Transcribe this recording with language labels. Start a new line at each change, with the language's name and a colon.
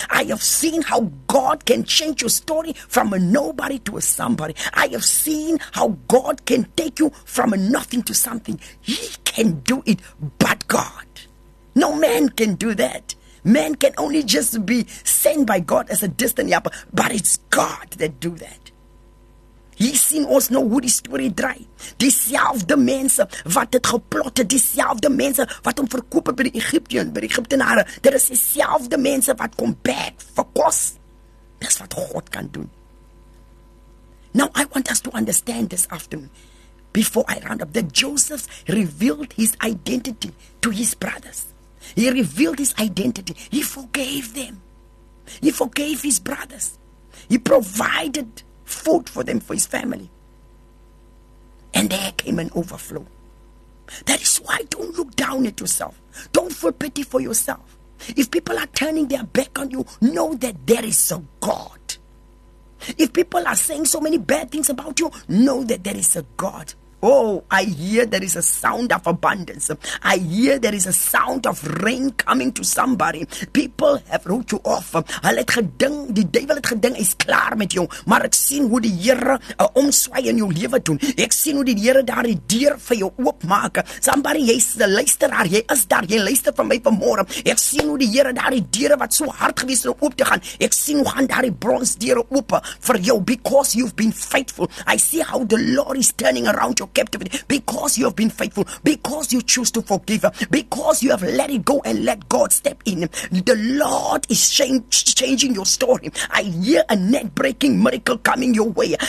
English: I have seen how God can change your story from a nobody to a somebody. I have seen how God can take you from a nothing to something. He can do it, but God. No man can do that. Man can only just be sent by God as a distant yapa, but it's God that do that.
Afrikaans: Hy sien ons nou hoe die storie draai. Dieselfde mense wat het geplot, dieselfde mense wat hom verkoop het by die Egiptenare, dit is dieselfde mense wat kom back vir kos.
English: That's what God can do. Now, I want us to understand this afternoon, before I round up, that Joseph revealed his identity to his brothers. He revealed his identity. He forgave them. He forgave his brothers. He provided food for them, for his family. And there came an overflow. That is why don't look down at yourself. Don't feel pity for yourself. If people are turning their back on you, know that there is a God. If people are saying so many bad things about you, know that there is a God. Oh, I hear there is a sound of abundance. I hear there is a sound of rain coming to somebody. People have wrote you off.
Afrikaans: Die duivel het geding is klaar met jou. Maar ek sien hoe die Here 'n omswaai in jou lewe doen. Ek sien hoe die Here daar die deur vir jou oopmaak. Somebody, jy's 'n luisteraar. Jy is daar. Jy luister van my vanmôre. Ek sien hoe die Here daar die deure wat so hard gewees het om oop te gaan. Ek sien hoe gaan daar die brons deure oop vir jou
English: because you've been faithful. I see how the Lord is turning around your captivity because you have been faithful, because you choose to forgive, because you have let it go and let God step in. The Lord is changing your story. I hear a net breaking miracle coming your way.